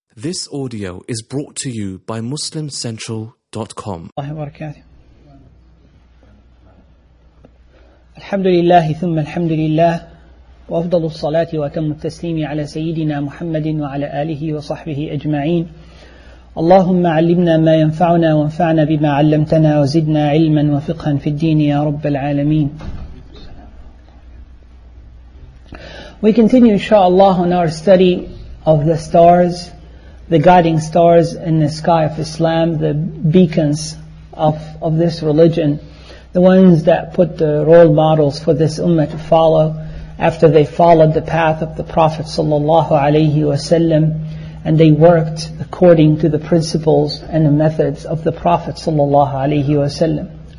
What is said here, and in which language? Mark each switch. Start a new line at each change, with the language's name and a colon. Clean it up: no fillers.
English: This audio is brought to you by MuslimCentral.com.
Arabic: الله وبركاته. الحمد لله ثم الحمد لله وأفضل الصلاة وأتم التسليم على سيدنا محمد وعلى آله وصحبه أجمعين. اللهم علمنا ما ينفعنا وانفعنا بما علمتنا وزدنا علما وفقها في الدين يا رب العالمين.
English: We continue inshallah on our study of the stars, the guiding stars in the sky of Islam, the beacons of this religion, the ones that put the role models for this ummah to follow after they followed the path of the Prophet sallallahu alaihi wasallam, and they worked according to the principles and the methods of the Prophet sallallahu alaihi wasallam.